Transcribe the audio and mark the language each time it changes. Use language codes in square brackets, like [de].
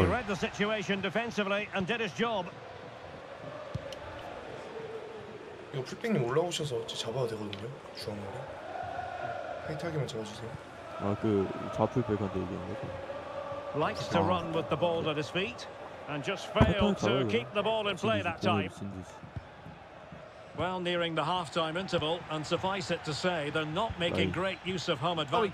[en] He read the situation defensively and did his job. [ko] 이거 풀백님 올라오셔서 어찌 잡아야 되거든요. 주황머리. 타이트하게만 잡아주세요. 아, 그 좌풀백한테 얘기한 거죠. [en] Likes to run with the ball at his feet and just failed to keep the ball in play that time. Well, nearing the half-time interval, and suffice it to say, they're not making great use of home advantage.